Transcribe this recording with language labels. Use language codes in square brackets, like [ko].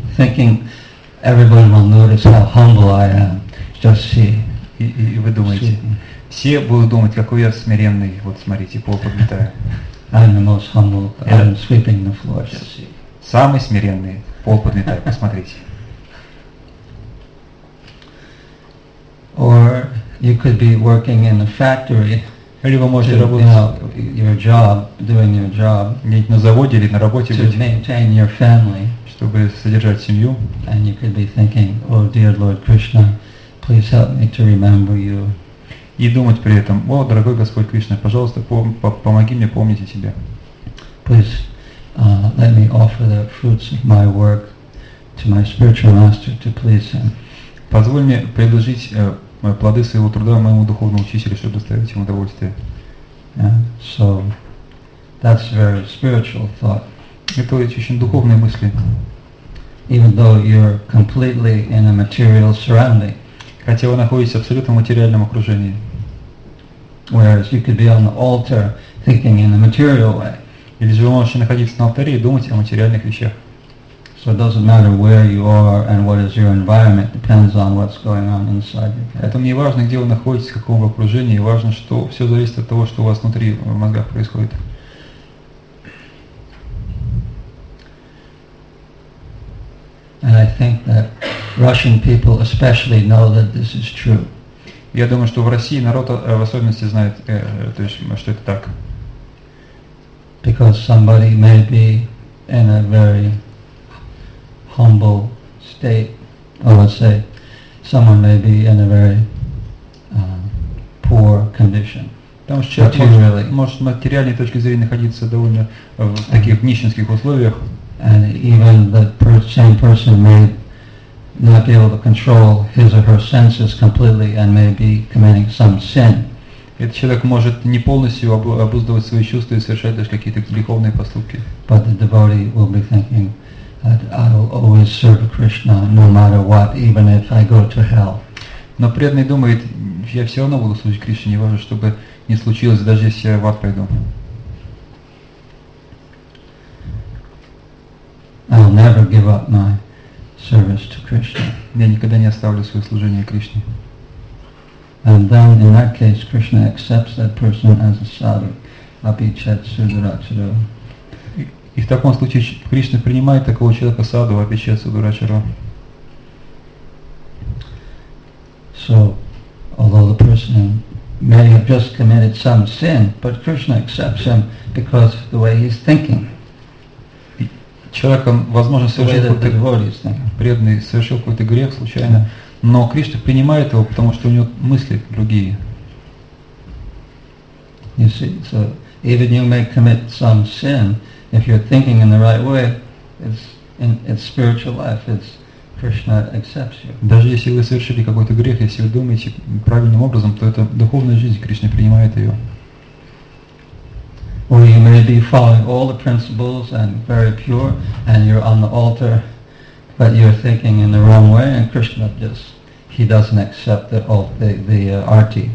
[en] Thinking, everyone will notice how humble I am. Just see. [ru] И вы думаете, все будут думать, какой я смиренный, вот смотрите, пол подметаю. [en] I'm the most humble, I'm sweeping the floor, just see. [ru] Самый смиренный, пол подметает, посмотрите. [en] Or you could be working in a factory. [ru] Или вы можете работать, [en] you know, your job, doing your job, [ru] на заводе или на работе, [en] to maintain your family, [ru] чтобы содержать семью. [en] And you could be thinking, oh dear Lord Krishna, please help me to remember you. [ru] И думать при этом, о, дорогой Господь Кришна, пожалуйста, помоги мне помнить о Тебе. [en] Please. Let me offer the fruits of my work to my spiritual master to please him. [ru] Позволь мне предложить плоды своего труда моему духовному учителю, чтобы доставить ему удовольствие. [en] So that's very spiritual thought. [ru] Это очень духовные мысли. [en] Even though you're completely in a material surrounding. [ru] Хотя вы находитесь в абсолютно материальном окружении. [en] Whereas you could be on the altar thinking in a material way. [ru] Или же вы можете находиться на алтаре и думать о материальных вещах. [en] So it doesn't matter where you are and what is your environment, depends on what's going on inside your head. [ru] Поэтому не важно, где вы находитесь, в каком вы окружении, важно, что все зависит от того, что у вас внутри в мозгах происходит. [en] And I think that Russian people especially know that this is true. [ru] Я думаю, что в России народ в особенности знает, то есть, что это так. [en] Because somebody may be in a very humble state, or let's say, someone may be in a very poor condition. [ru] Потому что человек может с материальной точки зрения находиться довольно в таких нищенских условиях. [en] And even the same person may not be able to control his or her senses completely and may be committing some sin. [ru] Этот человек может не полностью обуздывать свои чувства и совершать даже какие-то греховные поступки. [en] But the devotee will be thinking that I will always serve Krishna no matter what, even if I go to hell. [ru] Но преданный думает, я все равно буду служить Кришне, не важно, что бы ни случилось, даже если я в ад пойду. [en] I will never give up my service to Krishna. [ru] Я никогда не оставлю свое служение Кришне. [en] And then, in that case, Krishna accepts that person as a sadhu, [sa] apichat sudaracharo. [ru] И в таком случае Кришна принимает такого человека саду, [sa] апичат сударачаро. [en] So, although the person may have just committed some sin, but Krishna accepts him because of the way he's thinking. [ru] Человек, возможно, совершил какой-то преданный, совершил какой-то грех случайно. Но Кришна принимает его, потому что у него мысли другие. [en] You see, so even you may commit some sin, if you're thinking in the right way, it's spiritual life, it's Krishna accepts you. [ru] Даже если вы совершили какой-то грех, если вы думаете правильным образом, то это духовная жизнь, Кришна принимает ее. [en] Or you may be following all the principles and very pure, and you're on the altar. But you're thinking in the wrong way, and Krishna just—he doesn't accept that all the arti.